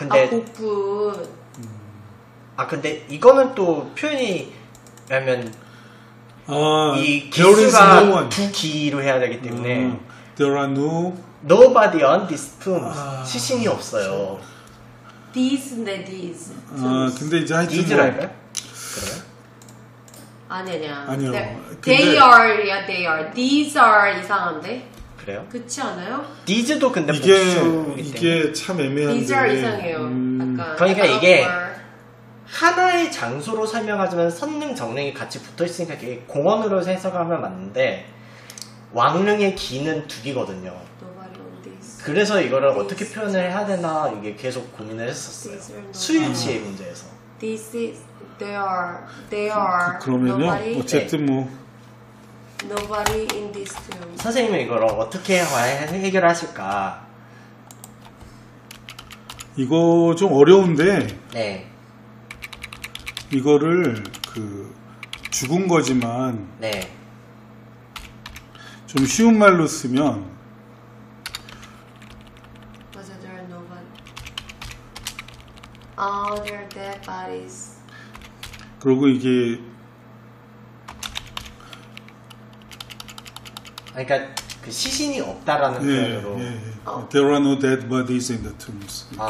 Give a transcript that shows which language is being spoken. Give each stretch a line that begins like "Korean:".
Korean: 복붙. 근데 이거는 또 표현이, 왜냐면, 이 기수가 두 기로 해야 되기 때문에.
English: There are no. Nobody on this tomb.
Korean: 시신이 없어요.
English: These인데, these.
Korean: 근데 이제 하여튼. These랄까요? 그래요? 아니야. 아니요.
English: They are, yeah, they are. These are
Korean: 이상한데. 그래요? 그렇지 않아요? These도 근데 이게 이게 참 애매한데.
English: These are
Korean: 이상해요. 약간 그러니까 이게 하나의 장소로 설명하지만 선릉 정릉이 같이 붙어 있으니까 이게 공원으로 해석하면 맞는데 왕릉의 기는 두기거든요. 그래서 이거를
English: these.
Korean: 어떻게 표현을 해야 되나 이게 계속 고민을 했었어요. 수유치의 문제에서.
English: This is. They are.
Korean: 그러면요.
English: Nobody?
Korean: 어쨌든 네. 뭐.
English: Nobody in this room.
Korean: 선생님 이걸 어떻게 해결하실까? 이거 좀 어려운데. 네. 이거를 죽은 거지만. 네. 좀 쉬운 말로 쓰면. 맞아,
English: there are nobody. Oh, there are dead bodies.
Korean: 그리고 이게 그러니까 그 시신이 없다라는 표현으로 예.
English: There are no dead bodies in the tombs.